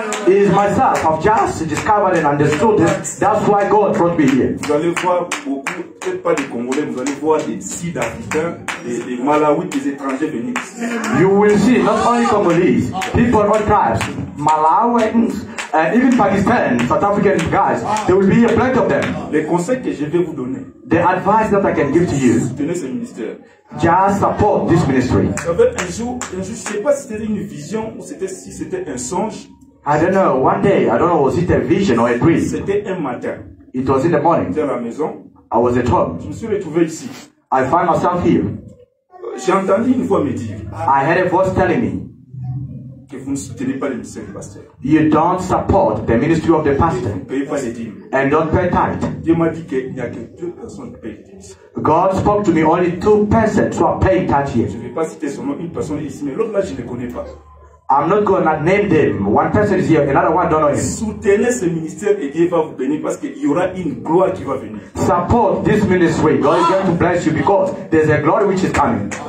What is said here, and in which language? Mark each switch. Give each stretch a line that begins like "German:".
English: It's myself, I've just discovered and understood this, that's why God brought me here.
French: Vous allez voir beaucoup. Peut-être pas des Congolais, vous allez voir des Sud-Africains, des Malawites, des étrangers venir.
English: You will see not only Congolese, people of all tribes, Malawites, and even Pakistan, South African guys, there will be a plenty of them.
French: Les conseils que je vais vous donner,
English: the advice that I can give to you,
French: soutenez ce ministère.
English: Just support this ministry.
French: Un jour, je ne sais pas si c'était une vision ou si c'était un songe.
English: I don't know. One day, I don't know, was it a vision or a dream?
French: C'était un matin.
English: It was in the morning.
French: J'étais à la maison.
English: I was at home.
French: Je me suis retrouvé ici.
English: I find myself here.
French: J'ai entendu une voix me dire.
English: I heard a voice telling me
French: que vous ne soutenez pas le ministère du pasteur.
English: You don't support the ministry of the pastor.
French: Vous ne payez pas les dîmes.
English: And don't pay tithe.
French: Dieu m'a dit qu'il n'y a que deux personnes qui payent les dîmes.
English: God spoke to me only two persons who are paying tithe here.
French: Je ne vais pas citer son nom, une personne ici, mais l'autre là je ne connais pas.
English: I'm not going to name them. One person is here, another one don't know him.
French: Soutenez ce ministère et Dieu va vous bénir parce qu'il y aura une gloire qui va venir.
English: Support this ministry. God is going to bless you because there's a glory which is coming.